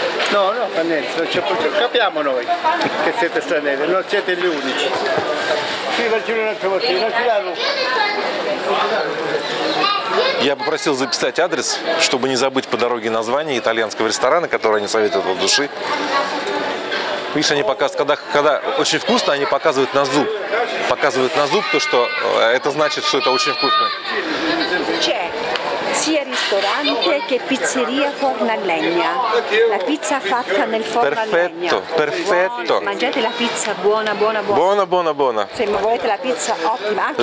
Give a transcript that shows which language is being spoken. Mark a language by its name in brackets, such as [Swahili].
[Italian] No, fa niente, capiamo noi che siete stranieri, non siete gli unici. Sì, facciamo un altro mattino, girano. [Russian] Я попросил записать адрес, чтобы не забыть по дороге название итальянского ресторана, который они советуют от души. Видишь, они показывают, когда очень вкусно, они показывают на зуб. Показывают на зуб то, что это значит, что это очень вкусно. [Italian] Sia ristorante che pizzeria forno a legna. La pizza fatta nel forno perfetto, a legna. Perfetto. Mangiate la pizza buona. Buona. Se volete la pizza ottima, anche